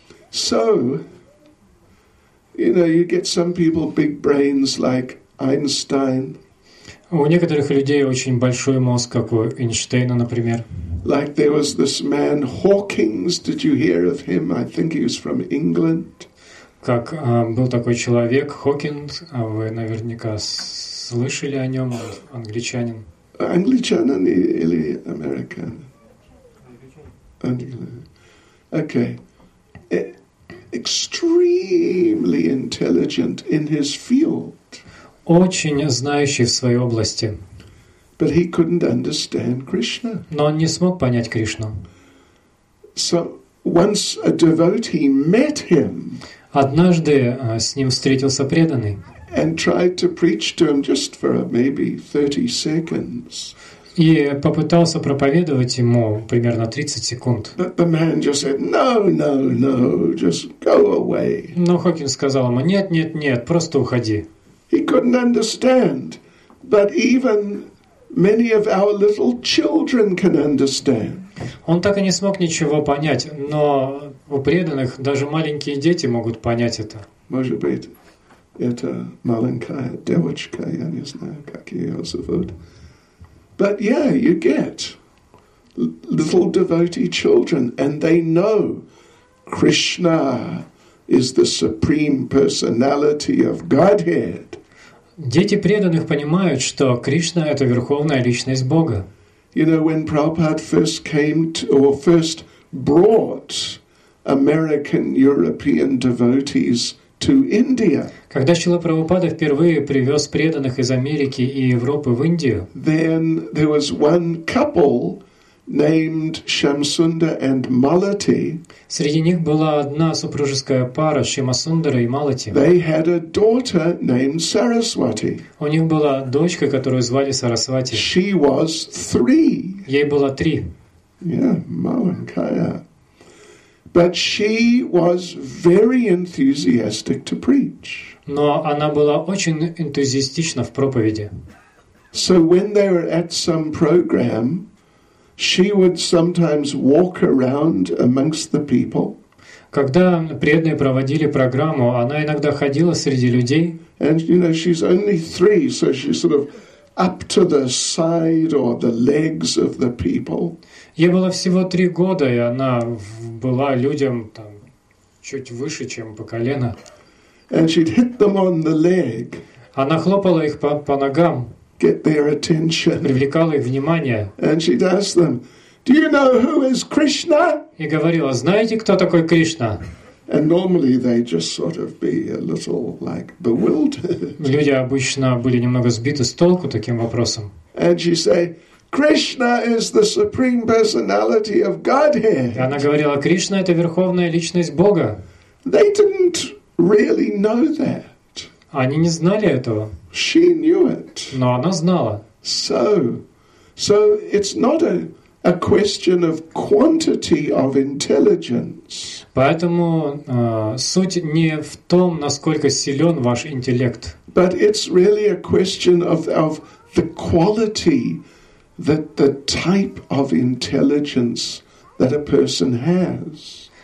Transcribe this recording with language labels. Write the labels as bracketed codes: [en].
[en] So, you know, you get some people big brains like Einstein. [ru] У некоторых людей очень большой мозг, как у Эйнштейна, например. [en] Like there was this man Hawkins. Did you hear of him? I think he was from England. [ru] Как был такой человек Хокинс, вы наверняка слышали о нем, он англичанин. Англичанин или американ? [en] Okay. Extremely intelligent in his field. [ru] Очень знающий в своей области. [en] But he couldn't understand Krishna. [ru] Но он не смог понять Кришну. [en] So once a devotee met him. [ru] Однажды с ним встретился преданный. [en] And tried to preach to him just for maybe 30 seconds. [ru] И попытался проповедовать ему примерно 30 секунд. [en] But the man just said, no, just go away. [ru] Но Хокинс сказал ему, нет, просто уходи. [en] He couldn't understand, but even many of our little children can understand. [ru] Он так и не смог ничего понять, но у преданных даже маленькие дети могут понять это. Может быть, это маленькая девочка, я не знаю, как ее зовут. [en] But yeah, you get little devotee children, and they know Krishna is the supreme personality of Godhead. [ru] Дети преданных понимают, что Кришна — это верховная личность Бога. [en] You know, when Prabhupada first came to, or first brought American European devotees to India. [ru] Когда Шрила Прабхупада впервые привёз преданных из Америки и Европы в Индию, [en] then there was one couple named Shamsundar and Malati. [ru] Среди них была одна супружеская пара, Шамасундара и Малати. [en] They had a daughter named Saraswati. [ru] У них была дочка, которую звали Сарасвати. [en] She was 3. [ru] Ей было 3. [en] Yeah, [ru] маленькая. [en] But she was very enthusiastic to preach. [ru] Но она была очень энтузиастична в проповеди. [en] So when they were at some program, she would sometimes walk around amongst the people. [ru] Когда преданные проводили программу, она иногда ходила среди людей. [en] And you know, she's only three, so she's sort of up to the side or the legs of the people. [ru] Ей было всего три года, и она была людям там чуть выше, чем по колено. [en] And she'd hit them on the leg. [ru] Она хлопала их по ногам. [en] Get their attention. [ru] Привлекала их внимание. [en] And she'd ask them, "Do you know who is Krishna?" [ru] И говорила, знаете, кто такой Кришна? [en] And normally they just sort of be a little like bewildered. [ru] Люди обычно были немного сбиты с толку таким вопросом. [en] And she'd say, "Krishna is the supreme personality of Godhead." [ru] И она говорила, Кришна это верховная личность Бога. [en] They didn't really know that. [ru] Они не знали этого. [en] She knew it. [ru] Но она знала. [en] So it's not a question of quantity of intelligence. [ru] Поэтому суть не в том, насколько силён ваш интеллект. [en] But it's really a question of the quality, that the type of intelligence that a person has.